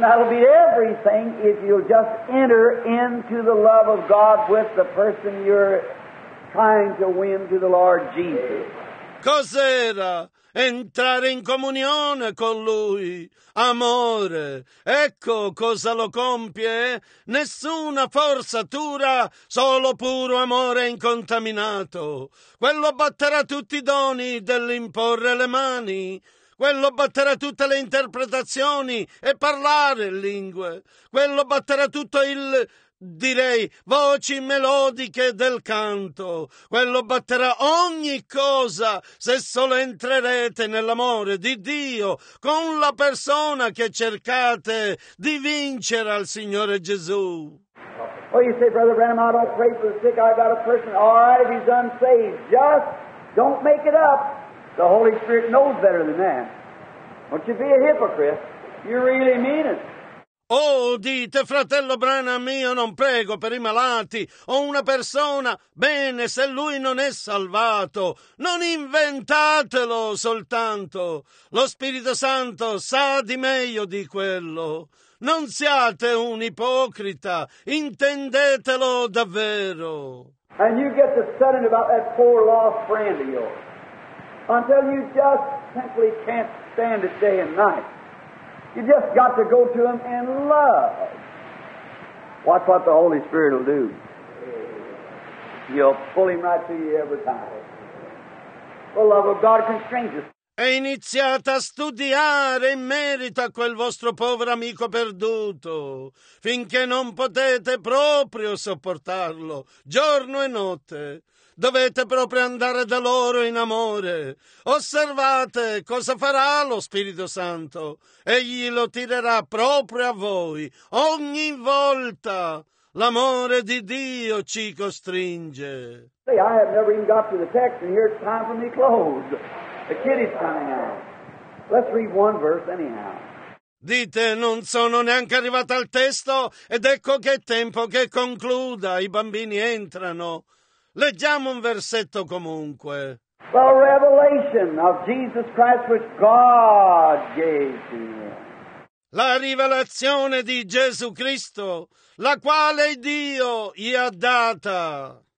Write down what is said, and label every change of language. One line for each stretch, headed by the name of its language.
English: That'll be everything if you'll just enter into the love of God with the person you're trying to win to the Lord Jesus.
Italian: Cos'era entrare in comunione con Lui? Amore. Ecco cosa lo compie. Nessuna forzatura, solo puro amore incontaminato. Quello batterà tutti i doni dell'imporre le mani. Quello batterà tutte le interpretazioni e parlare lingue. Quello batterà tutto il... direi voci melodiche del canto. Quello batterà ogni cosa se solo entrerete nell'amore di Dio con la persona che cercate di vincere al Signore Gesù.
English: Well, you say, Brother Branham, I don't pray for the sick. I got a person. All right, he's unsaved. Just don't make it up. The Holy Spirit knows better than that. Don't you be a hypocrite. You really mean it.
Italian: Oh, dite, fratello Branham, io non prego per i malati, ho una persona, bene, se lui non è salvato, non inventatelo soltanto, lo Spirito Santo sa di meglio di quello, non siate un ipocrita, intendetelo davvero.
English: And you get to studying about that poor lost friend of yours, until you just simply can't stand it day and night. You just got to go to Him in love. Watch what the Holy Spirit will do. You'll pull Him right to you every time. The love of God constrains us.
Italian: E iniziate a studiare in merito a quel vostro povero amico perduto, finché non potete proprio sopportarlo, giorno e notte. Dovete proprio andare da loro in amore. Osservate cosa farà lo Spirito Santo. Egli lo tirerà proprio a voi. Ogni volta l'amore di Dio ci costringe.
English: See, I have never even got to the text, and here it's time for me to close. The kid is coming out. Let's read one verse anyhow.
Italian: Dite, non sono neanche arrivato al testo, ed ecco che è tempo che concluda. I bambini entrano. Leggiamo un versetto comunque.
English: The revelation of Jesus Christ which God gave to you.
Italian: La rivelazione di Gesù Cristo, la quale Dio gli ha data.